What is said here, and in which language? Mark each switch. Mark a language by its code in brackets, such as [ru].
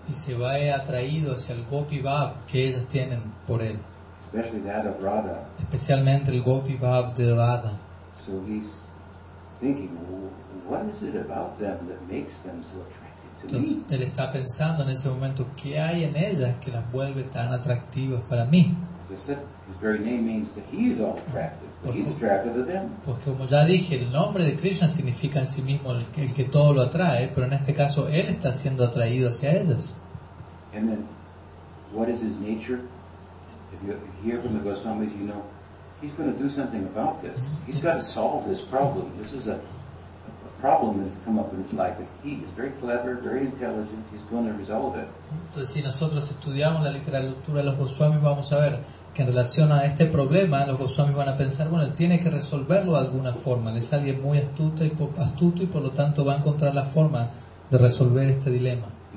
[es] Y se va atraído hacia el gopi bhava que ellas tienen por él. [en] Especially that of Radha. [es] Especialmente el gopi bhava de Radha. [en] So he's thinking, what is it about them that makes them so attractive to me? [es] Él está pensando en ese momento, ¿qué hay en ellas que las vuelve tan atractivas para mí? [en] His very name means that he is all attractive. He's attracted to them. [es] Porque como ya dije, el nombre de Krishna significa en sí mismo el que todo lo atrae, pero en este caso él está siendo atraído hacia ellas. [en] And then, what is his nature? If you hear from the Goswamis, you know he's going to do something about this. He's got to solve this problem. This is a problem that has come up in his life. He is very clever, very intelligent. He's going to resolve it. [es] Entonces, si nosotros estudiamos la literatura de los Goswamis, vamos a ver que en relación a este problema los Goswamis van a pensar, bueno, él tiene que resolverlo de alguna forma, él es alguien muy astuto y por lo tanto va a encontrar la forma de resolver este dilema.